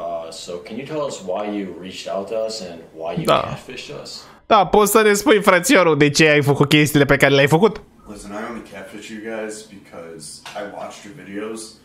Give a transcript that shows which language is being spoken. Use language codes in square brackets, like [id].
[en] So can you tell us why you reached out to us and why you catfished us? [ro] Da, poți să ne spui, frățiorul, de ce ai făcut chestiile pe care le-ai făcut? [en] Listen, I only catfish you guys because I watched your videos.